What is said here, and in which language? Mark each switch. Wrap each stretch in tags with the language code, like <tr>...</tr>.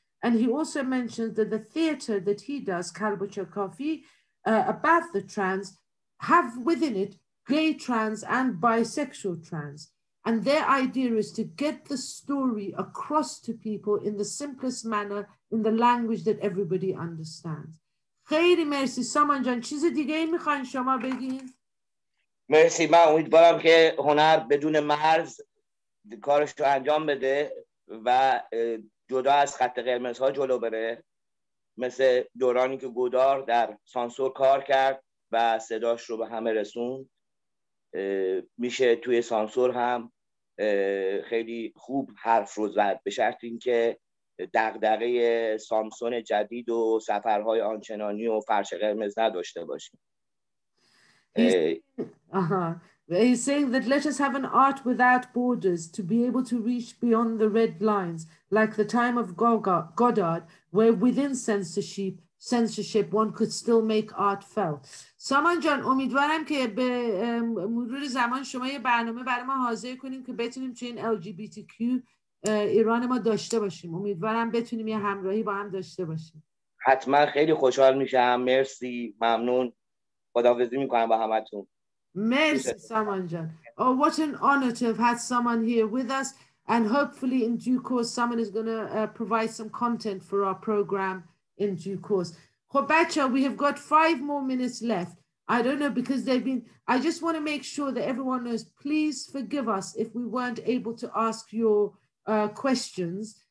<en>And he also mentioned that the theater that he does, Kalbucha Kafi, about the trans, have within it gay trans and bisexual trans. And their idea is to get the story across to people in the simplest manner, in the language that everybody understands.</en> <fa>خیلی مرسی سامان جان. چیز دیگه ای میخواین شما بگین؟ مرسی. من امیدوارم که هنر بدون مرز کارش رو انجام بده و جدا از خط قرمزها جلو بره. مثل دورانی که گودار در سانسور کار کرد. و صداش رو به همه رسوند میشه توی سانسور هم خیلی خوب حرف رو زد به شرط اینکه دغدغه سامسون جدید و سفرهای آنچنانی و فرش قرمز نداشته باشیم</fa> <en>He's saying that let us have an art without borders to be able to reach beyond the red lines, like the time of Goddard, where within censorship, one could still make art felt.</en> <fa>سامان جان امیدوارم که به مرور زمان شما یه برنامه برای ما حاضر کنیم که بتونیم توی این LGBTQ ایران ما داشته باشیم. امیدوارم بتونیم یه همراهی با هم داشته باشیم. حتما خیلی خوشحال میشم. مرسی. ممنون. خداحافظی میکنم با همتون. مرسی سامان جان.</fa> <en>Oh, what an honor to have had someone here with us. And hopefully in due course someone is going to provide some content for our program in due course. Khobacha, we have got 5 more minutes left. I don't know because they've been, I just want to make sure that everyone knows, please forgive us if we weren't able to ask your questions.</en>